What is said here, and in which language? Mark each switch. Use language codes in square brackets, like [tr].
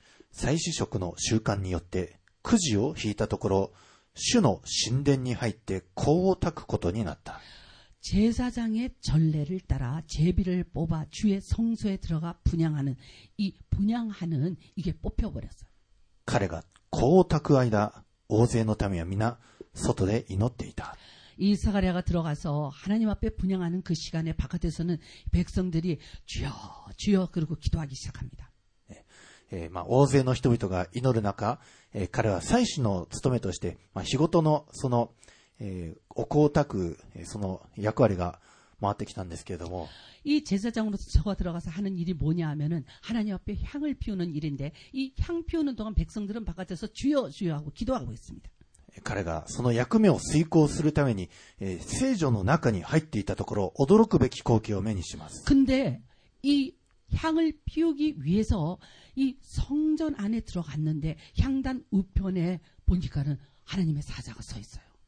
[ja] 祭司職の習慣によってくじを引いたところ主の神殿に入って香をたくことになった [ko] 제사장의전례를따라제비를뽑아주의성소에들어가분향하는이분향하는이게뽑혀버렸어 [ja] 彼が香をたく間大勢のためは皆外で祈っていた [ko] 이사가랴가들어가서하나님앞에분향하는그시간에바깥에서는백성들이주여주여그리고기도하기시작합니다 [ja] 大勢の人々が祈る中彼は祭司の務めとして、日ごとのその、お香をたく、その役割が回ってきたんですけれども。 [ko] 이제사장으로서저가들어가서하는일이뭐냐하면은하나님앞에향을피우는일인데이향피우는동안백성들은바깥에서주여주여하고기도하고있습니다 [ja] 彼がその役目を遂行するために、聖所の中に入っていたところ驚くべき光景を目にします。 [ko] 근데이향을피우기위해서이성전안에들어갔는데향단우편에보니까는하나님의사자가서있어요